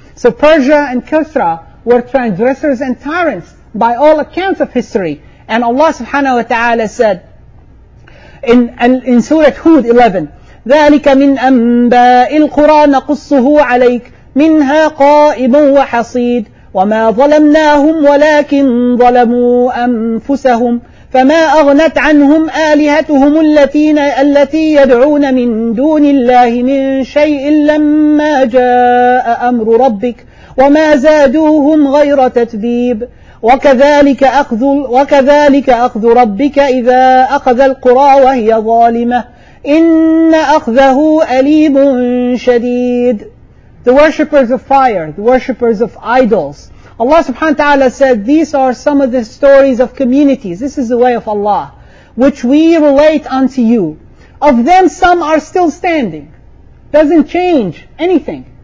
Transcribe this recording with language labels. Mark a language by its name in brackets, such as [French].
[English] So Persia and Kisra were transgressors and tyrants by all accounts of history. And Allah subhanahu wa ta'ala said in Surah Hud 11, [Arabic] ذَلِكَ مِنْ أَنْبَاءِ الْقُرَى نَقُصُّهُ عَلَيْكَ مِنْهَا قَائِمٌ وَحَصِيدٌ وما ظلمناهم ولكن ظلموا أنفسهم فما أغنت عنهم آلهتهم التي يدعون من دون الله من شيء لما جاء أمر ربك وما زادوهم غير تتبيب وكذلك أخذ ربك إذا أخذ القرى وهي ظالمة إن أخذه أليم شديد. [English] The worshippers of fire, the worshippers of idols. Allah subhanahu wa ta'ala said, these are some of the stories of communities. This is the way of Allah, which we relate unto you. Of them, some are still standing. Doesn't change anything.